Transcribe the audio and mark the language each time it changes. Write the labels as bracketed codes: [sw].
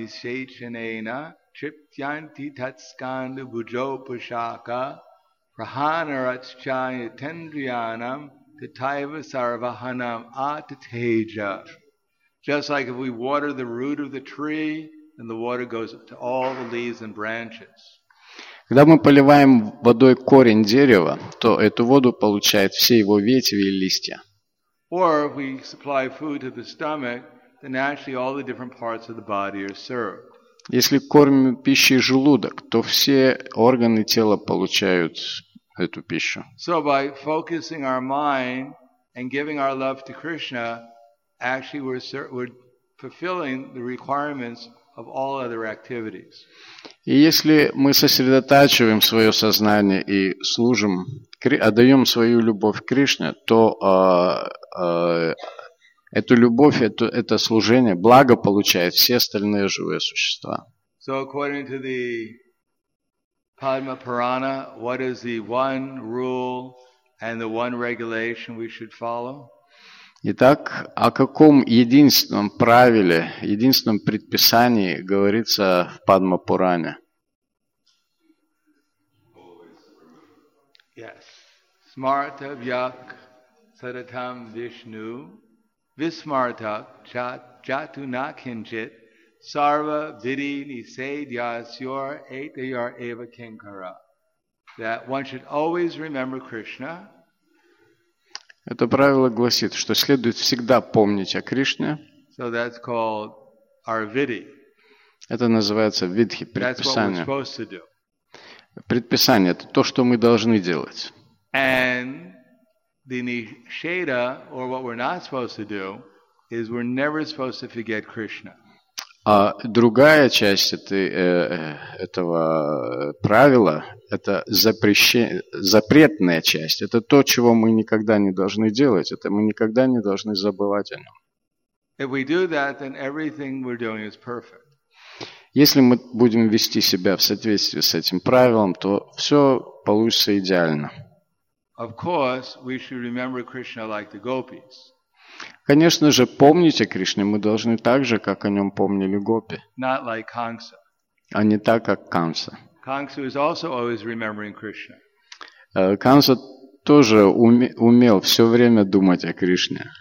[sa] Yatātara mula nisecaneṇa triptyanti [en] Just like if we water the root of the tree, then the water goes to all the leaves and branches. [ru] Когда мы поливаем водой корень дерева, то эту воду получают все его ветви и листья. [en] Or if we supply food to the stomach, Then actually all the different parts of the body are served. [ru] Если кормим пищей желудок, то все органы тела получают эту пищу. [en] So by focusing our mind and giving our love to Krishna, actually we're fulfilling the requirements of all other activities. [ru] И если мы сосредотачиваем свое сознание и служим, отдаем свою любовь Кришне, то эту любовь, это служение, благо получает все остальные живые существа. [en] So according to the Padma Purana, what is the one rule and the one regulation we should follow? [ru] Итак, о каком единственном правиле, единственном предписании говорится в Падма Пуране? [en] Yes. [sa] Smartavyak Saratam Vishnu. Vismartak jatu na kinchit sarva vidhi nisedyasyor etayor eva kinkara. [en] That one should always remember Krishna. [ru] Это правило гласит, что следует всегда помнить о Кришне. [en] So that's called arvidhi. [ru] Это называется видхи, [en] That's what we're supposed to do. [ru] Предписание – это то, что мы должны делать. [en] And the nisheda, or what we're not supposed to do, is we're never supposed to forget Krishna. [ru] А другая часть этого правила – это запретная часть. Это то, чего мы никогда не должны делать. Это мы никогда не должны забывать о нем. [en] If we do that, then everything we're doing is perfect. [ru] Если мы будем вести себя в соответствии с этим правилом, то все получится идеально. [en] Of course, we should remember Krishna like the gopis. [ru] Конечно же, помнить о Кришне мы должны так же, как о нем помнили гопи, [en] Not like Kamsa. [ru] а не так, как Камса. [en] Kamsa is also always remembering Krishna. [ru] Камса тоже умел все время думать о Кришне.